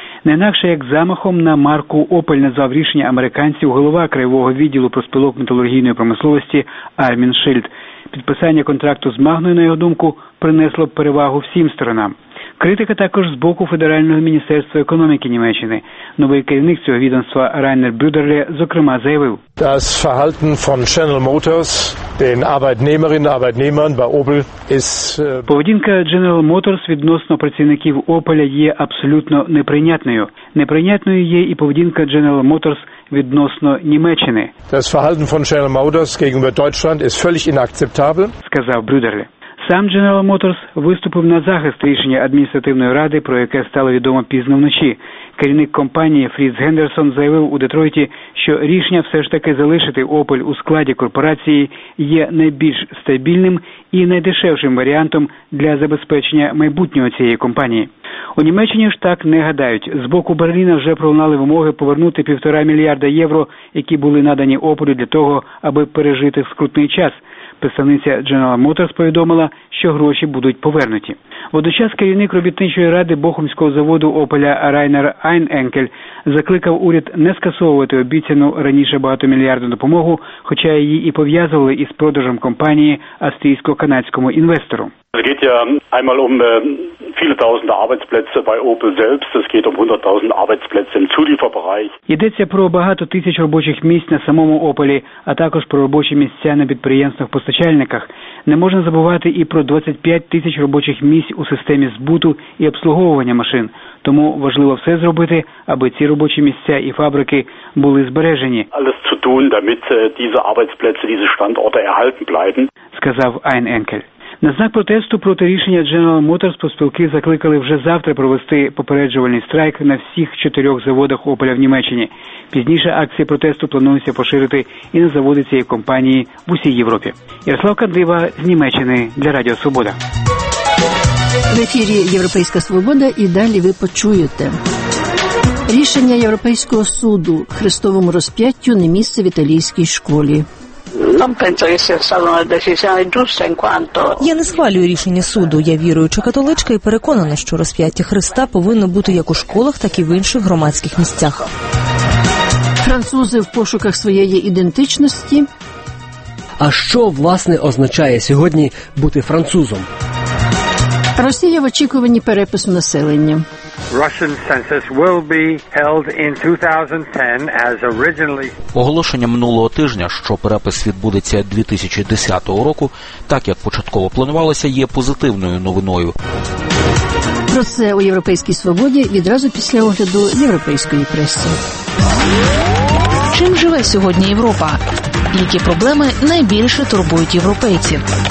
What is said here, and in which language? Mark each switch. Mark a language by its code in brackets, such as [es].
[uk] Не інакше, як замахом на марку «Opel» назвав рішення американців голова краєвого відділу профспілок металургійної промисловості Армін Шильд. Підписання контракту з «Магною», на його думку, принесло перевагу всім сторонам. Критика також з боку Федерального міністерства економіки Німеччини. Новий керівник цього відомства Райнер Брюдерле, зокрема, заявив. [de] Das Verhalten von General Motors den Arbeitnehmerinnen und Arbeitnehmern bei Opel ist [uk] Поведінка General Motors відносно працівників Opel є абсолютно неприйнятною. Неприйнятною є і поведінка General Motors відносно Німеччини. [de] Das Verhalten von General Motors gegenüber Deutschland ist völlig inakzeptabel, [uk] сказав Брюдерле. Сам General Motors виступив на захист рішення адміністративної ради, про яке стало відомо пізно вночі. Керівник компанії Фріц Гендерсон заявив у Детройті, що рішення все ж таки залишити Opel у складі корпорації є найбільш стабільним і найдешевшим варіантом для забезпечення майбутнього цієї компанії. У Німеччині ж так не гадають. З боку Берліна вже пролунали вимоги повернути 1,5 мільярда євро, які були надані Opel для того, аби пережити скрутний час. Представниця General Motors повідомила, що гроші будуть повернуті. Водночас керівник робітничої ради Бохумського заводу Опеля Райнер Айненкель закликав уряд не скасовувати обіцяну раніше багатомільярдну допомогу, хоча її і пов'язували із продажем компанії австрійсько-канадському інвестору. [de] Es geht ja einmal um viele tausende Arbeitsplätze bei Opel selbst, es geht um 100.000 Arbeitsplätze im Zulieferbereich. [uk] Йдеться про багато тисяч робочих місць на самому Opel, а також про робочі місця на підприємствах-постачальниках. Не можна забувати і про 25 тисяч робочих місць у системі збуту і обслуговування машин. Тому важливо все зробити, аби ці робочі місця і фабрики були збережені. [de] Alles zu tun, damit diese Arbeitsplätze, diese Standorte erhalten bleiben, [uk] сказав Айненкель. На знак протесту проти рішення General Motors профспілки закликали вже завтра провести попереджувальний страйк на всіх 4 заводах Opel в Німеччині. Пізніше акції протесту планується поширити і на заводи цієї компанії в усій Європі. Ярослав Кандива з Німеччини для Радіо Свобода. В ефірі «Європейська свобода» і далі ви почуєте. Рішення Європейського суду – хрестовому розп'яттю не місце в італійській школі. Я не схвалюю рішення суду. Я віруюча католичка і переконана, що розп'яття Христа повинно бути як у школах, так і в інших громадських місцях. Французи в пошуках своєї ідентичності. А що, власне, означає сьогодні бути французом? Росія в очікуванні перепису населення. [en] Russian census will be held in 2010 as originally. [uk] Оголошення минулого тижня, що перепис відбудеться 2010 року, так як початково планувалося, є позитивною новиною. Про це у Європейській свободі відразу після огляду європейської преси. Чим живе сьогодні Європа? Які проблеми найбільше турбують європейців?